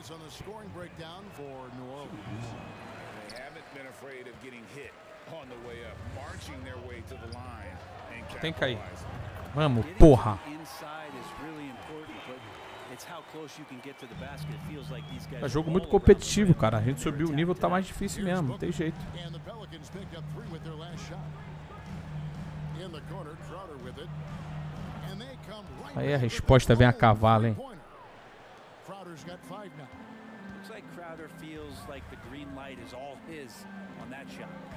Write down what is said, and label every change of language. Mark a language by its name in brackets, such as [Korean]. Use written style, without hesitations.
[English] Guys on the scoring breakdown for New Orleans. They haven't been afraid of getting hit on the way up, marching their way to the line and [Portuguese] tem que cair. Vamos, porra. [English] Inside is really important, but it's how close you can get to the basket. It feels like these guys [Portuguese] é jogo muito competitivo, cara. A gente subiu o nível, tá mais difícil mesmo, não tem jeito. [English] And the Pelicans pick up three with their last shot. In the corner, Crowder with it. And they come right. [Portuguese] Aí a resposta vem a cavalo, hein? [English] Crowder's got five now. Looks like Crowder feels like the green light is all his on that shot.